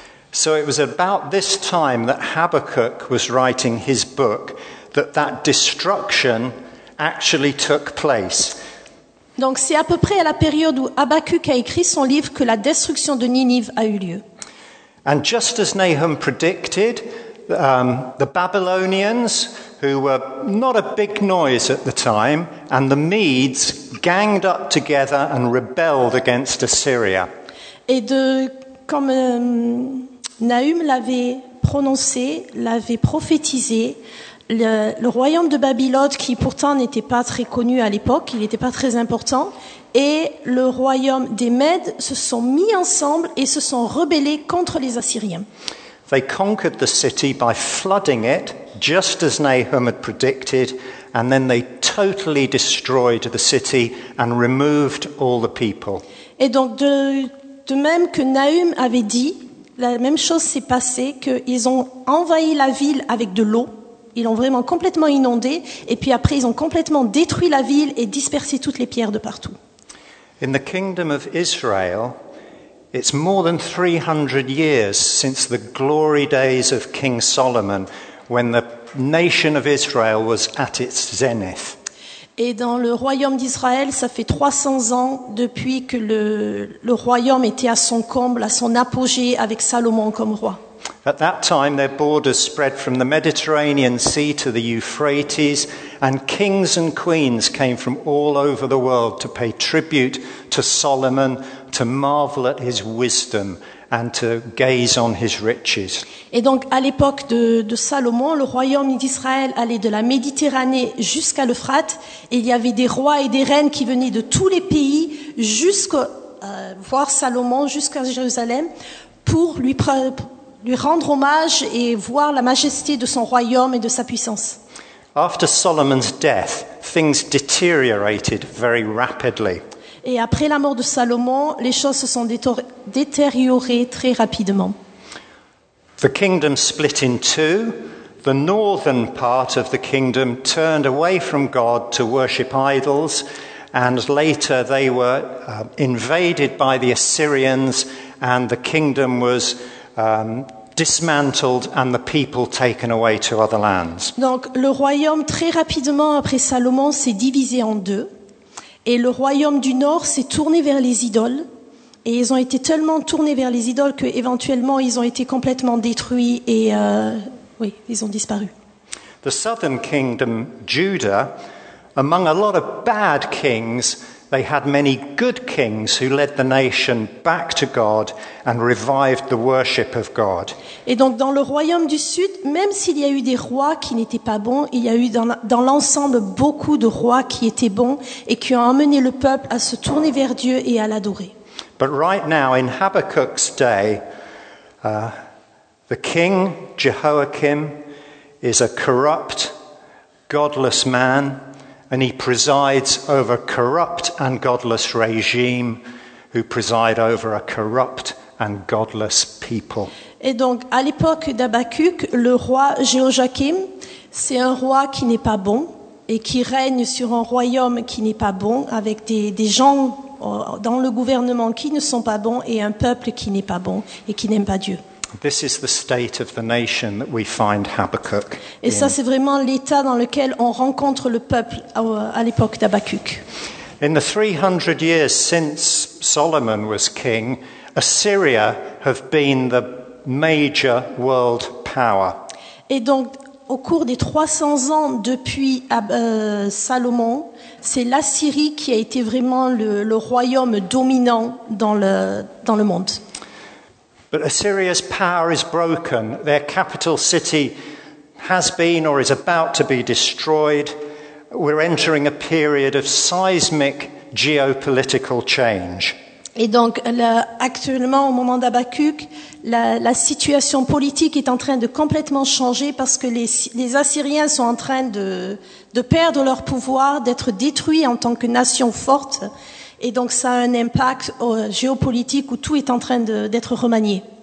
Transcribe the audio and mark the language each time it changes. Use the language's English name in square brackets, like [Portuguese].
[English] So it was about this time that Habakkuk was writing his book that destruction actually took place. [French] Donc c'est à peu près à la période où Habacuc a écrit son livre que la destruction de Ninive a eu lieu. [English] And just as Nahum predicted, the Babylonians, who were not a big noise at the time, and the Medes ganged up together and rebelled against Assyria. [French] Et de comme Nahum l'avait prononcé, l'avait prophétisé, le royaume de Babylone, qui pourtant n'était pas très connu à l'époque, il n'était pas très important, et le royaume des Mèdes se sont mis ensemble et se sont rebellés contre les Assyriens. [English] They conquered the city by flooding it, just as Nahum had predicted, and then they totally destroyed the city and removed all the people. [French] Et donc de même que Nahum avait dit, la même chose s'est passée, qu'ils ont envahi la ville avec de l'eau. Ils l'ont vraiment complètement inondé, et puis après ils ont complètement détruit la ville et dispersé toutes les pierres de partout. [English] In the kingdom of Israel, it's more than 300 years since the glory days of King Solomon, when the nation of Israel was at its zenith. [French] Et dans le royaume d'Israël, ça fait 300 ans depuis que le royaume était à son comble, à son apogée avec Salomon comme roi. [English] At that time, their borders spread from the Mediterranean Sea to the Euphrates, and kings and queens came from all over the world to pay tribute to Solomon, to marvel at his wisdom and to gaze on his riches. [French] Et donc, à l'époque de Salomon, le royaume d'Israël allait de la Méditerranée jusqu'à l'Euphrate, et il y avait des rois et des reines qui venaient de tous les pays jusqu'à voir Salomon jusqu'à Jérusalem pour lui rendre hommage et voir la majesté de son royaume et de sa puissance. [English] After Solomon's death, things deteriorated very rapidly. [French] Et après la mort de Salomon, les choses se sont détériorées très rapidement. [English] The kingdom split in two. The northern part of the kingdom turned away from God to worship idols, and later they were invaded by the Assyrians, and the kingdom was dismantled and the people taken away to other lands. [French] Donc le royaume très rapidement après Salomon s'est divisé en deux, et le royaume du nord s'est tourné vers les idoles, et ils ont été tellement tournés vers les idoles que éventuellement ils ont été complètement détruits et ils ont disparu. [English] The southern kingdom Judah, among a lot of bad kings, they had many good kings who led the nation back to God and revived the worship of God. [French] Et donc dans le royaume du sud, même s'il y a eu des rois qui n'étaient pas bons, il y a eu dans l'ensemble beaucoup de rois qui étaient bons et qui ont amené le peuple à se tourner vers Dieu et à l'adorer. [English] But right now in Habakkuk's day, the king Jehoiakim is a corrupt, godless man. And he presides over a corrupt and godless regime who preside over a corrupt and godless people. [French] Et donc, à l'époque d'Habacuc, le roi Jehoiakim, c'est un roi qui n'est pas bon et qui règne sur un royaume qui n'est pas bon, avec des gens dans le gouvernement qui ne sont pas bons et un peuple qui n'est pas bon et qui n'aime pas Dieu. [English] This is the state of the nation that we find Habakkuk. [French] Et ça, c'est vraiment l'état dans lequel on rencontre le peuple à l'époque d'Habakkuk. [English] In the 300 years since Solomon was king, Assyria have been the major world power. [French] Et donc, au cours des 300 ans depuis Salomon, c'est l'Assyrie qui a été vraiment le royaume dominant dans le monde. [English] But Assyria's power is broken. Their capital city has been or is about to be destroyed. We're entering a period of seismic geopolitical change. [French] Et donc, actuellement, au moment d'Habakkuk, la situation politique est en train de complètement changer parce que les Assyriens sont en train de perdre leur pouvoir, d'être détruits en tant que nation forte. Et donc ça a un impact géopolitique où tout est en train d'être remanié.